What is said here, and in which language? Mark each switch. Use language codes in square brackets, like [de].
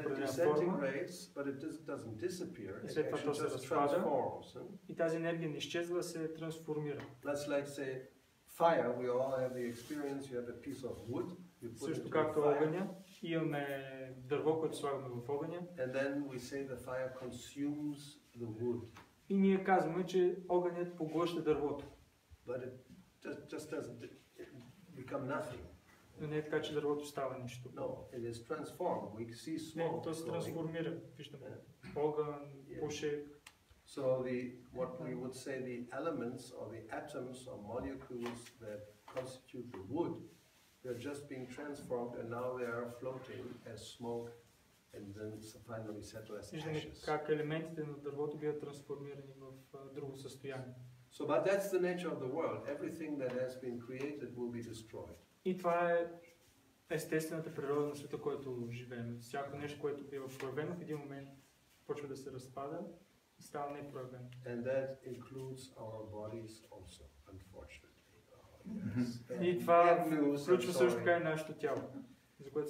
[bg] определена форма. [en] And then it disintegrates, but it doesn't disappear. [bg] И след това то се разпада. И тази енергия не изчезва, се трансформира. [en] Let's like say fire, we all have the experience, you have a piece of wood. [bg] Също както огъня, имаме дърво, което слагаме в огъня. [en] And then we say the fire consumes the wood. [bg] И ние казваме, че огънят поглъща дървото. [en] But it just doesn't become nothing. [bg] Но не е така, че дървото става нищо. [en] No, it is transformed. We see smoke. [bg] Не, то се трансформира. Виждаме. Огън, пушек. [en] So the what we would say the elements or the atoms or molecules that constitute the wood, they are just being transformed and now they are floating as smoke and then finally settle as ashes. [bg] Как елементите на дървото биват трансформирани в друго състояние. [en] So, but that's the nature of the world. Everything that has been created will be destroyed. [bg] И това е естествената природа на света, която живеем. Всяко нещо, което бива проявено, в един момент почва да се разпада и става непроявено. [en] And that includes our bodies also, unfortunately. Yes. [bg] И това включва също така и нашето тяло, за което